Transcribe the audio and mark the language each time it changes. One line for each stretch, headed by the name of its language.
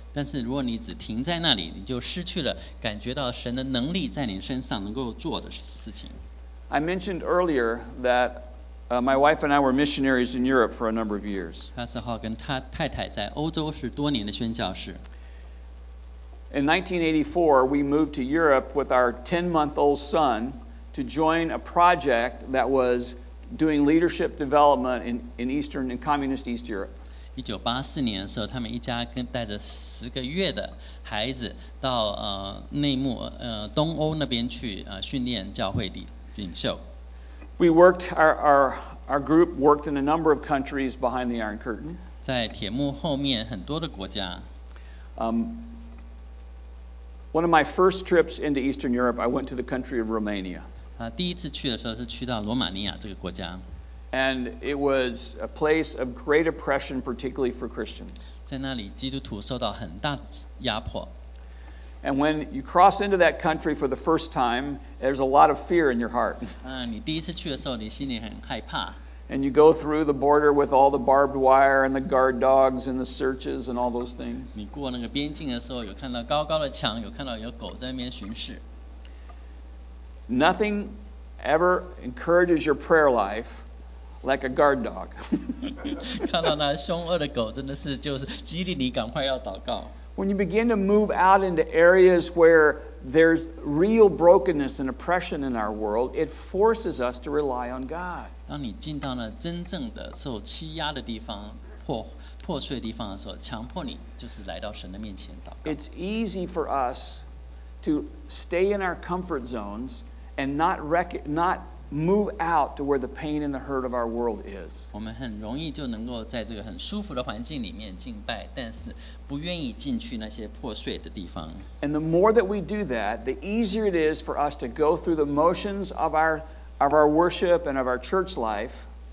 Chinese: 但是如果你只停在那里，你就失去了感觉到神的能力在你身上能够做的事情。
English: I mentioned earlier that my wife and I were missionaries in Europe for a number of years.
Chinese: Pastor Hall 跟他太太在欧洲是多年的宣教士。
English: In 1984, we moved to Europe with our 10-month-old son to join a project that was doing leadership development in Eastern and Communist East Europe.
Chinese: 1984年的时候，他们一家跟带着十个月的孩子到内幕东欧那边去训练教会领袖。
English: We worked, our group worked in a number of countries behind the Iron Curtain.
Chinese: 在铁幕后面很多的国家。
English: One of my first trips into Eastern Europe, I went to the country of Romania.
Chinese: 第一次去的时候是去到罗马尼亚这个国家。
English: And it was a place of great oppression, particularly for Christians.
Chinese: 在那里基督徒受到很大的压迫。
English: And when you cross into that country for the first time, there's a lot of fear in your heart.
Chinese: 你第一次去的时候，你心里很害怕。
English: And you go through the border with all the barbed wire and the guard dogs and the searches and all those things.
Chinese: 你过那个边境的时候，有看到高高的墙，有看到有狗在那边巡视。
English: Nothing ever encourages your prayer life like a guard dog.
Chinese: 看到那凶恶的狗，真的是就是激励你赶快要祷告。
English: When you begin to move out into areas where there's real brokenness and oppression in our world, it forces us to rely on God.
Chinese: 当你进到了真正的受欺压的地方、破碎的地方的时候，强迫你就是来到神的面前祷告。
English: It's easy for us to stay in our comfort zones and not move out to where the pain and the hurt of our world is.
Chinese: 我们很容易就能够在这个很舒服的环境里面敬拜，但是不愿意进去那些破碎的地方。
English: And the more that we do that, the easier it is for us to go through the motions of our worship and of our church life.